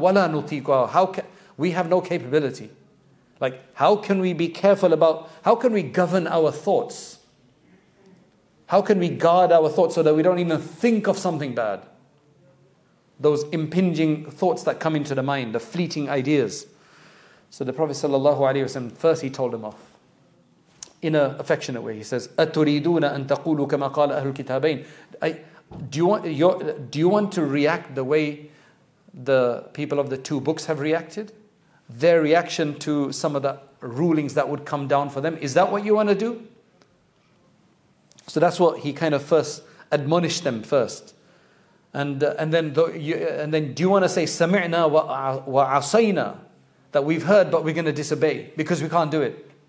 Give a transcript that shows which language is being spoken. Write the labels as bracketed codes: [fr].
[ar] Wala nutiqa. [en] We have no capability. Like, how can we be careful about, how can we govern our thoughts? How can we guard our thoughts so that we don't even think of something bad? Those impinging thoughts that come into the mind, the fleeting ideas. So the Prophet sallallahu alaihi wasallam, first he told him off. In an affectionate way, he says, [ar] "أتريدون أن تقولوا كما قال أهل الكتابين." [en] Do you want to react the way the people of the two books have reacted? Their reaction to some of the rulings that would come down for them—is that what you want to do? So that's what he kind of first admonished them first, and then do you want to say [ar] "سمعنا وعصينا" [en] that we've heard but we're going to disobey because we can't do it?